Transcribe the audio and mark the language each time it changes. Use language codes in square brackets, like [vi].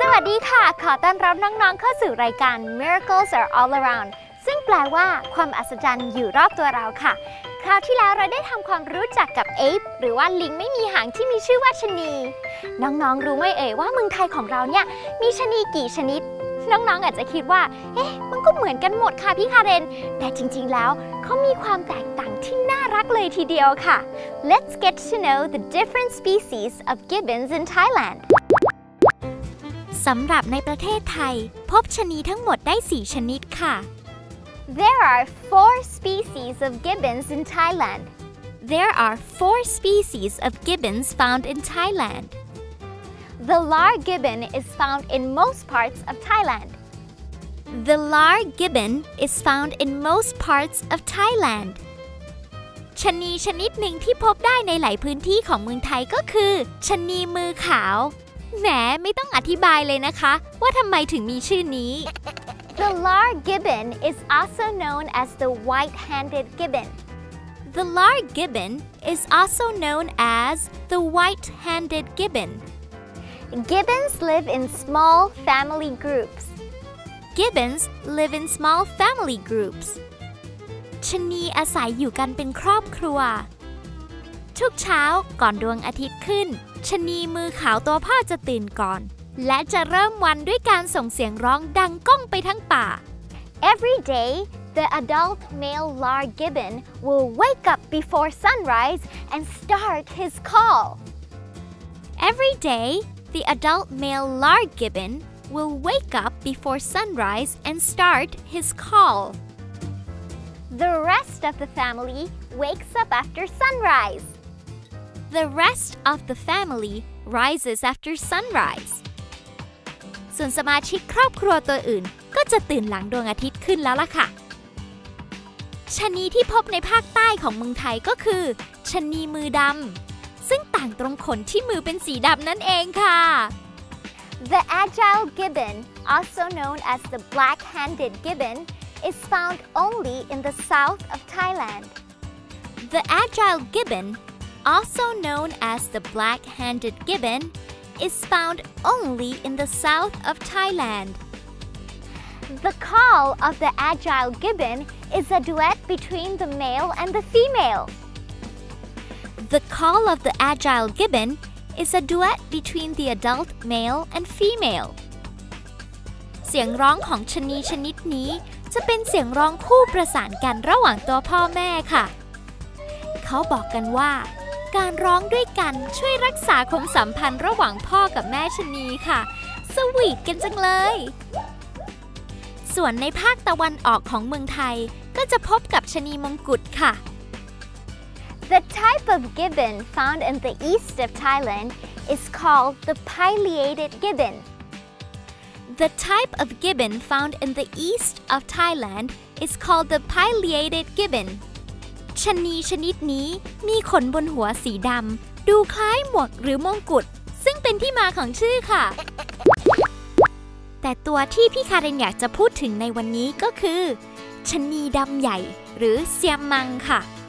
[th] ดีค่ะขอต้อนรับน้องๆเข้าสู่รายการ Miracles Are All Around ซึ่งแปลว่าความอัศจรรย์อยู่รอบตัวเราค่ะคราวที่แล้วเราได้ทำความรู้จักกับเอฟหรือว่าลิงไม่มีหางที่มีชื่อว่าชะนีน้องๆรู้ไหมเอ่ยว่าเมืองไทยของเราเนี่ยมีชะนีกี่ชนิดน้องๆอาจจะคิดว่าเอ๊ะมันก็เหมือนกันหมดค่ะพี่คาเรนแต่จริงๆแล้วเขามีความแตกต่างที่น่ารักเลยทีเดียวค่ะ [en] Let's get to know the different species of gibbons in Thailand [th] สำหรับในประเทศไทยพบชะนีทั้งหมดได้4ชนิดค่ะ [en] There are 4 species of gibbons in Thailand There are 4 species of gibbons found in Thailand The lar gibbon is found in most parts of Thailand. The lar gibbon is found in most parts of Thailand. [th] ชะนีชนิดหนึ่งที่พบได้ในหลายพื้นที่ของเมืองไทยก็คือชะนีมือขาวแหมไม่ต้องอธิบายเลยนะคะว่าทำไมถึงมีชื่อนี้ [en] The lar gibbon is also known as the white-handed gibbon. The lar gibbon is also known as the white-handed gibbon. Gibbons live in small family groups. Gibbons live in small family groups. [th] ชะนีอาศัยอยู่กันเป็นครอบครัวทุกเช้าก่อนดวงอาทิตย์ขึ้นชะนีมือขาวตัวพ่อจะตื่นก่อนและจะเริ่มวันด้วยการส่งเสียงร้องดังก้องไปทั้งป่า [en] Every day, the adult male lar gibbon will wake up before sunrise and start his call. Every dayThe adult male lar gibbon will wake up before sunrise and start his call. The rest of the family wakes up after sunrise. The rest of the family rises after sunrise. [th] ส่วนสมาชิกครอบครัวตัวอื่นก็จะตื่นหลังดวงอาทิตย์ขึ้นแล้วล่ะค่ะชะนีที่พบในภาคใต้ของเมืองไทยก็คือชะนีมือดำซึ่งต่างตรงขนที่มือเป็นสีดำนั่นเองค่ะ [en] The agile gibbon, also known as the black-handed gibbon, is found only in the south of Thailand. The agile gibbon, also known as the black-handed gibbon, is found only in the south of Thailand. The call of the agile gibbon is a duet between the male and the female. The call of the agile gibbon is a duet between the adult male and female. [th] เสียงร้องของชนีชนิดนี้จะเป็นเสียงร้องคู่ประสานกันระหว่างตัวพ่อแม่ค่ะเขาบอกกันว่าการร้องด้วยกันช่วยรักษาความสัมพันธ์ระหว่างพ่อกับแม่ชนีค่ะสวีทกันจังเลยส่วนในภาคตะวันออกของเมืองไทยก็จะพบกับชนีมงกุฎค่ะ [en] The type of gibbon found in the east of Thailand is called the pileated gibbon. The type of gibbon found in the east of Thailand is called the pileated gibbon. [th] ชะนีชนิดนี้มีขนบนหัวสีดำดูคล้ายหมวกหรือมงกุฎซึ่งเป็นที่มาของชื่อค่ะแต่ตัวที่พี่คาเรนอยากจะพูดถึงในวันนี้ก็คือชะนีดำใหญ่หรือเซียมมังค่ะ